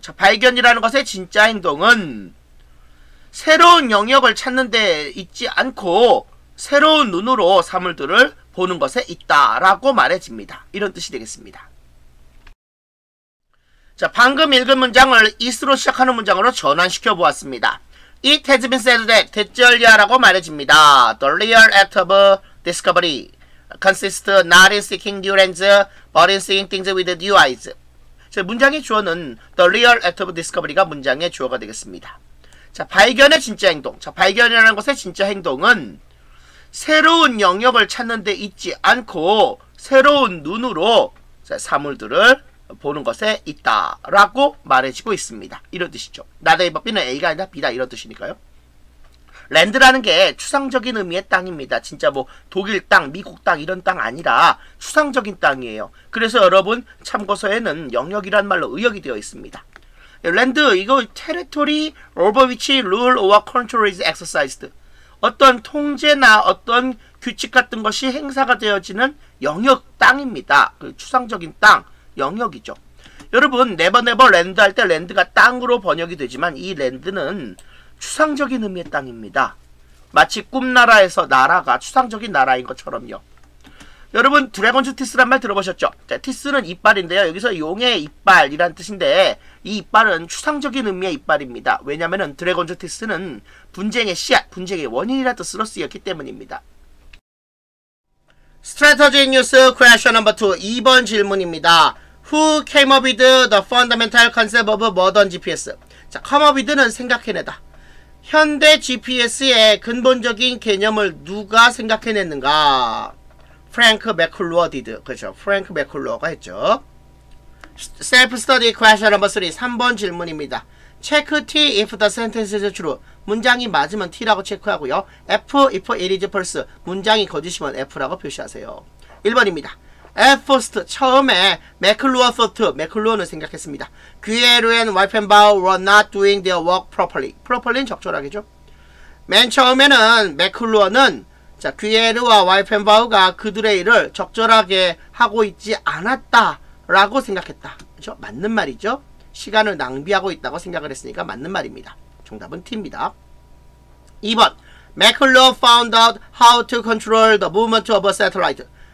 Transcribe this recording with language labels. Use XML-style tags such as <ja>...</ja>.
<ko>자, 발견이라는 것의 진짜 행동은 새로운 영역을 찾는 데 있지 않고 새로운 눈으로 사물들을 보는 것에 있다라고 말해집니다. 이런 뜻이 되겠습니다. 자, 방금 읽은 문장을 is로 시작하는 문장으로 전환시켜 보았습니다.</ko> <en>It has been said that</en> <ko>됐절이야라고 말해집니다.</ko> <en>The real act of discovery consists not in seeking new lands but in seeing things with new eyes.</en> <ko>자, 문장의 주어는</ko> <en>The real act of discovery</en> <ko>가 문장의 주어가 되겠습니다. 자, 발견의 진짜 행동. 자, 발견이라는 것의 진짜 행동은 새로운 영역을 찾는 데 있지 않고 새로운 눈으로 자, 사물들을 보는 것에 있다 라고 말해지고 있습니다. 이런 뜻이죠. 나다의 법비는 A가 아니라 B다 이런 뜻이니까요. 랜드라는 게 추상적인 의미의 땅입니다. 진짜 뭐 독일 땅, 미국 땅 이런 땅 아니라 추상적인 땅이에요. 그래서 여러분 참고서에는 영역이란 말로 의역이 되어 있습니다. 랜드 이거</ko> <en>territory over which rule or control is exercised.</en> <ko>어떤 통제나 어떤 규칙 같은 것이 행사가 되어지는 영역 땅입니다. 그 추상적인 땅 영역이죠. 여러분 네버네버 랜드 할 때 랜드가 땅으로 번역이 되지만 이 랜드는 추상적인 의미의 땅입니다. 마치 꿈나라에서 나라가 추상적인 나라인 것처럼요. 여러분 드래곤즈 티스란 말 들어보셨죠? 자, 티스는 이빨인데요. 여기서 용의 이빨이란 뜻인데 이 이빨은 추상적인 의미의 이빨입니다. 왜냐하면 드래곤즈 티스는 분쟁의 씨앗, 분쟁의 원인이라는 뜻으로 쓰였기 때문입니다.</ko> <en>Strategy News Question No. 2</en> <ko>2번 질문입니다.</ko> <en>Who came up with the fundamental concept of modern GPS?</en> <ko>자,</ko> <en>come up with</en> <ko>는 생각해내다. 현대 GPS의 근본적인 개념을 누가 생각해냈는가?</ko> <en>Frank McClure did.</en> <ko>그렇죠.</ko> <en>Frank McClure가 했죠. Self-study Question No. 3</en> <ko>3번 질문입니다.</ko> <en>Check T if the sentence is true.</en> <ko>문장이 맞으면 T라고 체크하고요.</ko> <en>F if it is false.</en> <ko>문장이 거짓이면 F라고 표시하세요. 1번입니다.</ko> <en>At first,</en> <ko>처음에 맥클루어 thought, 맥클루어는 생각했습니다.</ko> <en>Guerre and Wippenbauer were not doing their work properly.</en> <ko>Properly는 적절하겠죠. 맨 처음에는 맥클루어는 자, Guerre와 Wippenbauer가 그들의 일을 적절하게 하고 있지 않았다라고 생각했다. 그렇죠? 맞는 말이죠. 시간을 낭비하고 있다고 생각을 했으니까 맞는 말입니다. 정답은 T입니다. 2번.</ko> <en>McClure found out how to control the movement of a satellite.</en>